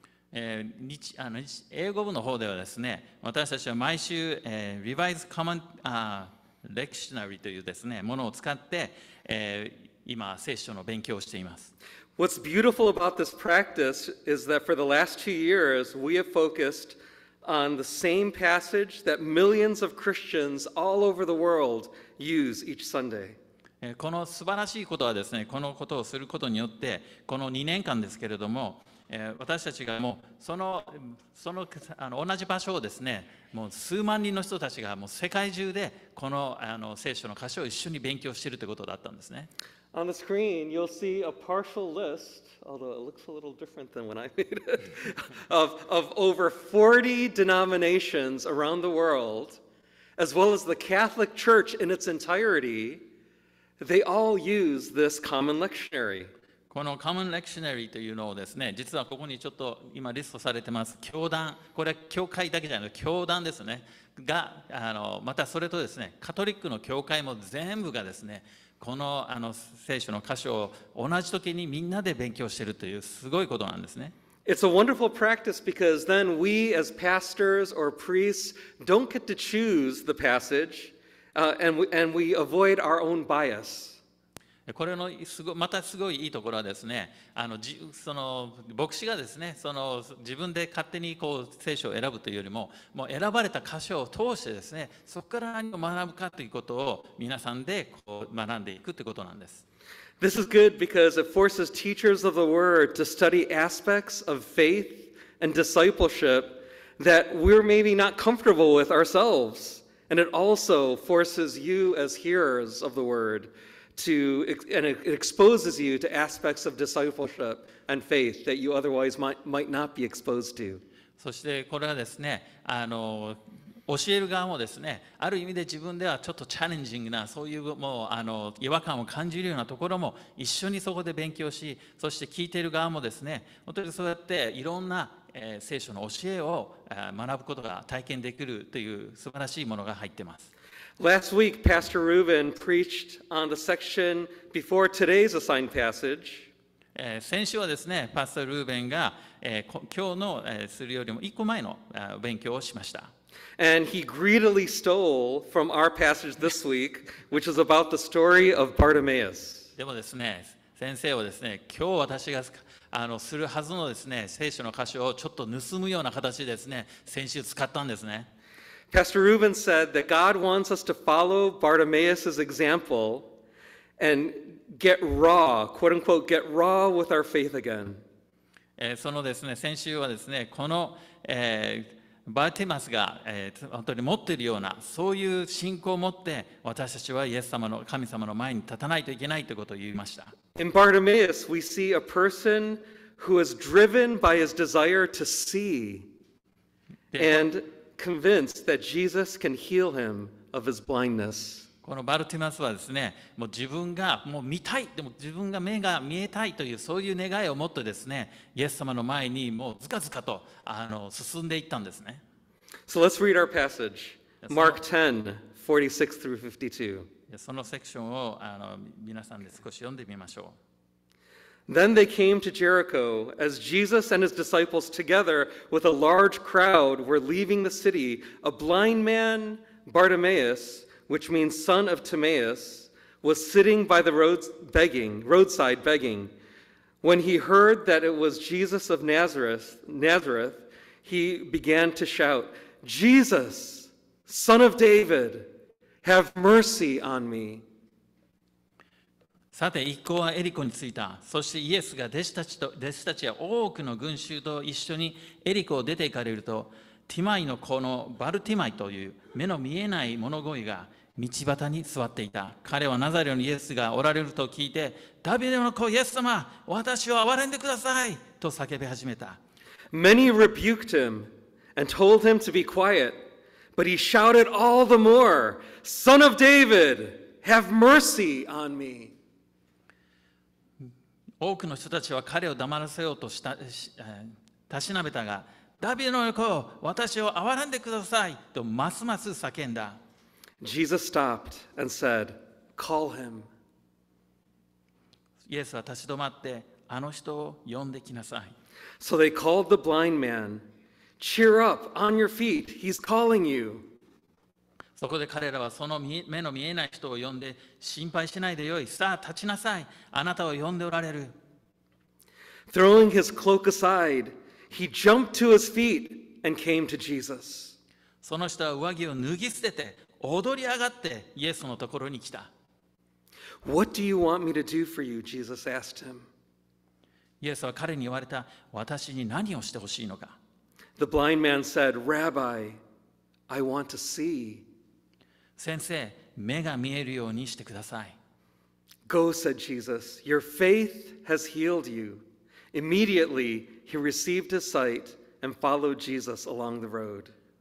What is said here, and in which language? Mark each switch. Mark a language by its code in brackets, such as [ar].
[ja] 英語部の方ではですね、私たちは毎週、Revised Common Lectionary というですね、ものを使って、今、聖書の勉強をしています。 [en] What's beautiful about this practice is that for the last 2 years, we have focused on the same passage that millions of Christians all over the world use each Sunday. [ja] この素晴らしいことはですね、このことをすることによって、この2年間ですけれども、私たちがもうその同じ場所をですね、もう数万人の人たちがもう世界中でこの聖書の箇所を一緒に勉強しているということだったんですね。 [en] On the screen, you'll see a partial list, although it looks a little different than when I made it, of over 40 denominations around the world, as well as the Catholic Church in its entirety, they all use this common lectionary. [ja] このカモンレクショナリーというのをですね、実はここにちょっと今リストされてます教団、これは教会だけじゃなくて教団ですね、がまたそれとですね、カトリックの教会も全部がですね、この聖書の箇所を同じ時にみんなで勉強しているというすごいことなんですね。 [en] It's a wonderful practice because then we as pastors or priests don't get to choose the passage, and we avoid our own bias. [ja] これのまたすごいいいところはですね、その牧師がですね、その自分で勝手にこう聖書を選ぶというよりも、もう選ばれた箇所を通してですね、そこから何を学ぶかということを皆さんでこう学んでいくということなんです。 [en] This is good because it forces teachers of the word to study aspects of faith and discipleship that we're maybe not comfortable with ourselves. And it also forces you as hearers of the word. It exposes you to aspects of discipleship and faith that you otherwise might not be exposed to. [ja] そしてこれはですね、教える側もですね、ある意味で自分ではちょっとチャレンジングな、そういうもう違和感を感じるようなところも一緒にそこで勉強し、そして聞いている側もですね、本当にそうやっていろんな、聖書の教えを学ぶことが体験できるという素晴らしいものが入ってます。 [en] Last week, Pastor Reuben preached on the section before today's assigned passage. [ja] 先週はですね、パスタ・ルーベンが今日のするよりも1個前の勉強をしました。 [en] And he greedily stole from our passage this week, which is about the story of Bartimaeus. [ja] でもですね、先生はですね、今日私がするはずのですね、聖書の箇所をちょっと盗むような形でですね、先週使ったんですね。 [en] Pastor Reuben said that God wants us to follow Bartimaeus' example and get raw, quote unquote, get raw with our faith again. [ja] そのですね、先週はですね、この、バーティマスが、本当に持っているようなそういう信仰を持って私たちはイエス様の神様の前に立たないといけないということを言いました。 [en] In Bartimaeus, we see a person who is driven by his desire to see and convinced that Jesus can heal him of his blindness. [ja] このバルティマスはですね、もう自分がもう見たい、でも自分が目が見えたいというそういう願いを持ってですね、イエス様の前にもうずかずかと進んでいったんですね。 [en] So let's read our passage, Mark 10, 46 through 52. [ja] そのセクションを皆さんで少し読んでみましょう。 [en] Then they came to Jericho. As Jesus and his disciples, together with a large crowd, were leaving the city, a blind man, Bartimaeus, which means son of Timaeus, was sitting by the roadside begging. When he heard that it was Jesus of Nazareth, he began to shout, Jesus, son of David. Have mercy on me. [ja] さて一行はエリコに着いた。そしてイエスが弟子たちや多くの群衆と一緒にエリコを出て行かれると、ティマイの子のバルティマイという目の見えない物乞いが道端に座っていた。彼はナザレのイエスがおられると聞いて、ダビデの子イエス様、私を憐れんでくださいと叫び始めた。 [en] Many rebuked him and told him to be quiet. But he shouted all the more, Son of David, have mercy on me. [ja] 多くの人たちは彼を黙らせようとした、たしなべたが、ダビデの子、私を憐れんでくださいとますます叫んだ。 [en] Jesus stopped and said, Call him. [ja] イエスは立ち止まって、あの人を呼んできなさい。 [en] So they called the blind man. Cheer up, on your feet, he's calling you. [ja] そこで彼らはその目の見えない人を呼んで、心配しないでよい、さあ立ちなさい、あなたを呼んでおられる。 [en] Throwing his cloak aside, he jumped to his feet and came to Jesus. [ja] その人は上着を脱ぎ捨てて、踊り上がってイエスのところに来た。 [en] What do you want me to do for you? Jesus asked him. [ja] イエスは彼に言われた、私に何をしてほしいのか。 [en] The blind man said, Rabbi, I want to see. [ja] 先生、目が見えるようにしてください。 [en] Go, said Jesus, your faith has healed you. Immediately, he received his sight and followed Jesus along the road.